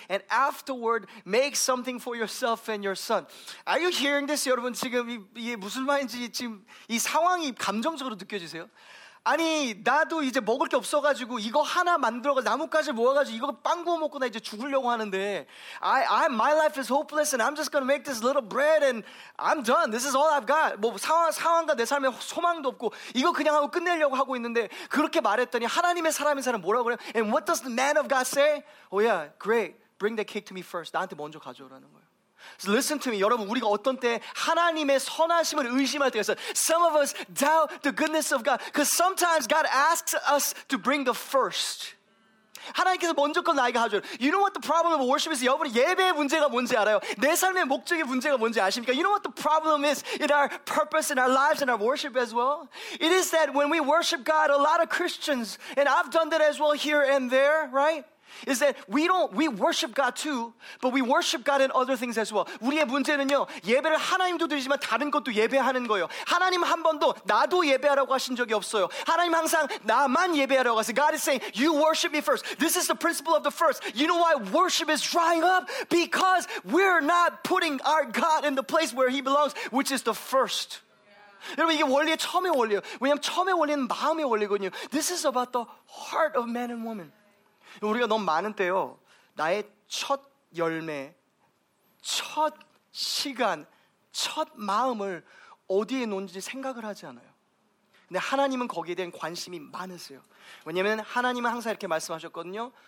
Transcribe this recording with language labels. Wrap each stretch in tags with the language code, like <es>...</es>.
<en>And afterward, make something for yourself and your son. Are you hearing this, 여러분?</en> <ko>지금 이게 무슨 말인지 지금 이 상황이 감정적으로 느껴지세요? 아니 나도 이제 먹을 게 없어가지고 이거 하나 만들어가지고 나뭇가지 모아가지고 이거 빵 구워 먹고 나 이제 죽으려고 하는데</ko> <en>my life is hopeless and I'm just gonna make this little bread and I'm done. This is all I've got.</en> <ko>뭐 상황과 내 삶에 소망도 없고 이거 그냥 하고 끝내려고 하고 있는데 그렇게 말했더니 하나님의 사람인 사람 뭐라고 그래요?</ko> <en>And what does the man of God say? Oh yeah, great. Bring the cake to me first.</en> <ko>나한테 먼저 가져오라는 거예요.</ko> <en>So listen to me,</en> <ko>여러분 우리가 어떤 때 하나님의 선하심을 의심할 때가 있어요.</ko> <en>Some of us doubt the goodness of God because sometimes God asks us to bring the first.</en> <ko>하나님께서 먼저 건 나에게 하죠.</ko> <en>You know what the problem of worship is?</en> <ko>여러분 예배의 문제가 뭔지 알아요? 내 삶의 목적의 문제가 뭔지 아십니까?</ko> <en>You know what the problem is in our purpose, in our lives, in our worship as well? It is that when we worship God, a lot of Christians, and I've done that as well here and there, right? Is that we worship God too, but we worship God in other things as well.</en> <ko>우리의 문제는요, 예배를 하나님도 드리지만 다른 것도 예배하는 거예요. 하나님 한 번도 나도 예배하라고 하신 적이 없어요. 하나님 항상 나만 예배하라고 하세요.</ko> <en>God is saying, you worship me first. This is the principle of the first. You know why worship is drying up? Because we're not putting our God in the place where he belongs, which is the first.</en> <ko>여러분 이게 원리의 처음의 원리예요. 왜냐하면 처음의 원리는 마음의 원리거든요.</ko> <en>This is about the heart of man and woman.</en> <ko>우리가 너무 많은 때요, 나의 첫 열매, 첫 시간, 첫 마음을 어디에 놓는지 생각을 하지 않아요. 근데 하나님은 거기에 대한 관심이 많으세요. 왜냐하면 하나님은 항상 이렇게 말씀하셨거든요.</ko>